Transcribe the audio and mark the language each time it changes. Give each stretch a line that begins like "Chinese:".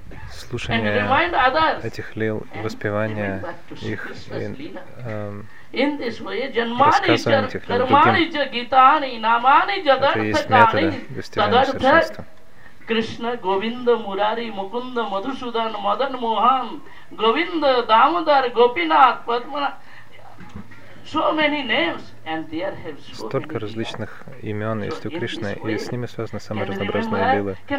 Russian: Слушание этих лил, воспевание их, рассказывание этих лил другим. Это и есть методы достижения совершенства. Кришна, Говинда, Мурари, Мукунда, Мадхусудан, Мадан, Мохан, Говинда, Дамодар, Гопинат, Падмана.
English: So many names, and there have so many names.
Russian: Столько различных имен есть у Кришны, и с ними связаны самые разнообразные лилы.